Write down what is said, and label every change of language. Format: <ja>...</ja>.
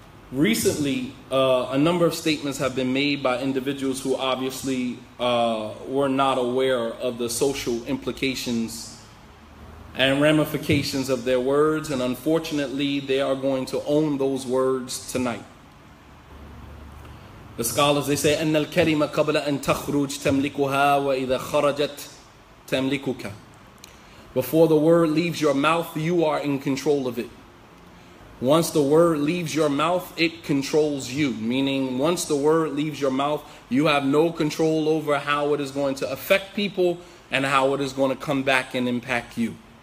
<en>Recently, a number of statements have been made by individuals who obviously were not aware of the social implications and ramifications of their words, and unfortunately, they are going to own those words tonight. The scholars, they say,</en> <ar>أَنَّ الْكَلِمَ قَبْلَ أَن تَخْرُجْ تَمْلِكُهَا وَإِذَا خَرَجَتْ تَمْلِكُكَ.</ar> <en>Before the word leaves your mouth, you are in control of it. Once the word leaves your mouth, it controls you. Meaning, once the word leaves your mouth, you have no control over how it is going to affect people and how it is going to come back and impact you.</en>